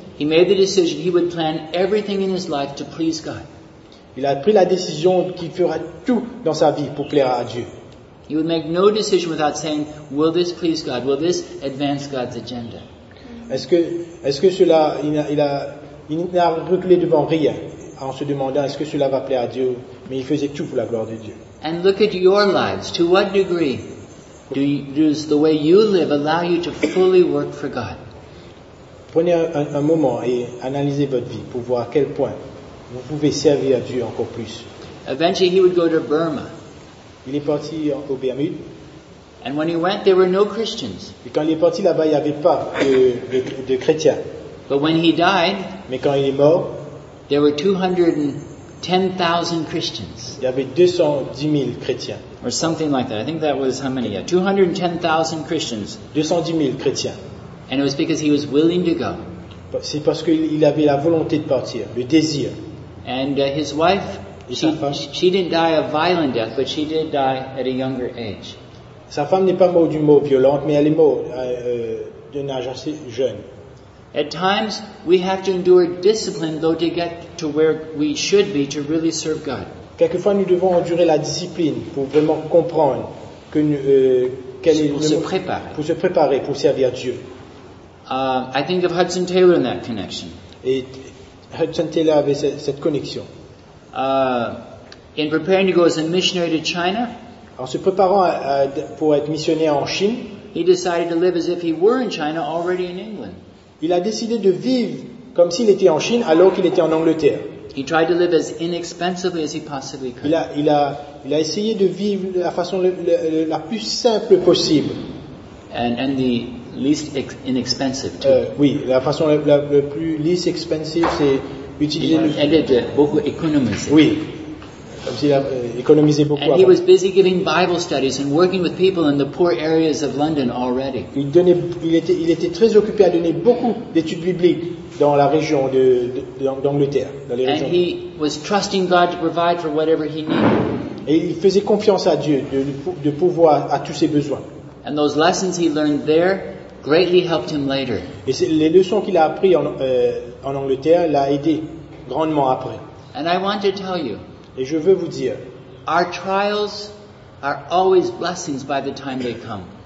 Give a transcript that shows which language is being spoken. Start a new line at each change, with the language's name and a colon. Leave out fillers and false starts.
English: He made the decision he would plan everything in his life to please God.
French: Il a pris la décision qu'il fera tout dans sa vie pour plaire à Dieu.
English: He would make no decision without saying, "Will this please God? Will this advance God's agenda?"
French: Est-ce que cela, il n'a reculé devant rien en se demandant est-ce que cela va plaire à Dieu, mais il faisait tout pour la gloire de Dieu.
English: And look at your lives. To what degree does the way you live allow you to fully work for God?
French: Prenez un moment et analysez votre vie pour voir à quel point vous pouvez servir à Dieu encore plus.
English: Eventually, he would go to Burma.
French: Il est parti au Bermude.
English: And when he went, there were no Christians.
French: Et quand il est parti là-bas, il n'y avait pas de chrétiens.
English: But when he died,
French: mais quand il est mort,
English: there were 210,000 Christians.
French: Il y avait 210 000 chrétiens.
English: Or something like that. I think that was how many? Yeah, 210,000 Christians.
French: 210 000 chrétiens.
English: And it was because he was willing to go.
French: C'est parce qu'il avait la volonté de partir, le désir.
English: And his wife, she didn't die a violent death, but she did die at a younger age.
French: Sa femme n'est pas morte d'une mort violente, mais elle est morte d'un âge assez jeune.
English: At times, we have to endure discipline, though, to get to where we should be to really serve God.
French: Quelquefois, nous devons endurer la discipline pour vraiment comprendre que pour se préparer pour servir Dieu.
English: I think of Hudson Taylor in that connection.
French: Et Hudson Taylor avait cette connexion.
English: In preparing to go as a missionary to China.
French: En se préparant pour être missionnaire en Chine,
English: he decided to live as if he were in China, already in England.
French: Il a décidé de vivre comme s'il était en Chine alors qu'il était en Angleterre.
English: He tried to live as inexpensively as he possibly could.
French: Il a essayé de vivre de la façon la plus simple possible.
English: And the least inexpensive too.
French: Oui, la façon la plus
English: least expensive,
French: c'est utiliser. Elle était beaucoup économisé. Oui. Comme s'il a économisé beaucoup.
English: And he was busy giving Bible studies and working with people in the poor areas of London already.
French: Il était très occupé à donner beaucoup d'études bibliques dans la région d'Angleterre, dans les régions.
English: And he was trusting God to provide for whatever he needed.
French: Et il faisait confiance à Dieu de pouvoir à tous ses besoins.
English: And those lessons he learned there greatly helped him later.
French: Et les leçons qu'il a apprises en Angleterre l'a aidé grandement après.
English: And I want to tell you.
French: Et je veux vous dire,
English: our trials are always blessings by the time they come